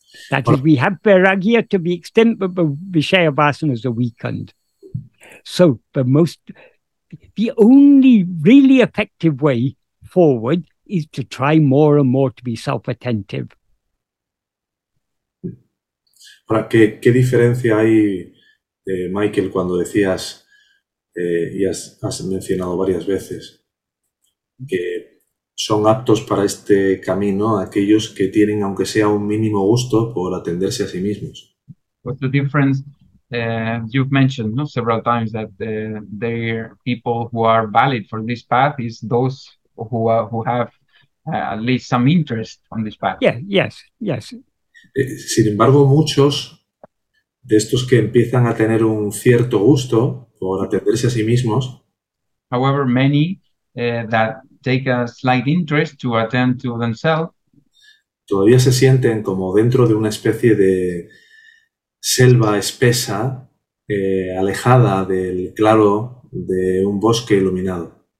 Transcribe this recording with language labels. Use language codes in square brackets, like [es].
[en] That is, we have Vairagya to the extent that the Vishayavasanas are weakened. So the only really effective way forward is to try more and more to be self-attentive. [es] Ahora, ¿qué diferencia hay, Michael, cuando decías, y has mencionado varias veces, que son aptos para este camino aquellos que tienen, aunque sea un mínimo gusto, por atenderse a sí mismos? [en] What's the difference? You've mentioned, no, several times that there are people who are valid for this path is those who have at least some interest on this path. Yeah, yes, yes. [es] Sin embargo, muchos de estos que empiezan a tener un cierto gusto por atenderse a sí mismos. [en] However, many that take a slight interest to attend to themselves. [es] Todavía se sienten como dentro de una especie de selva espesa, alejada del claro de un bosque iluminado.